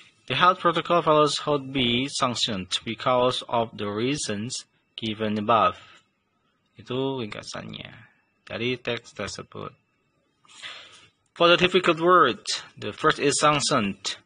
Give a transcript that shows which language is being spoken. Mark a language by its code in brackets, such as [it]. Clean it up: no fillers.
[en] The health protocol fellows should be sanctioned because of the reasons given above. [id] Itu ringkasannya dari teks tersebut. [en] For the difficult word, the first is sanctioned.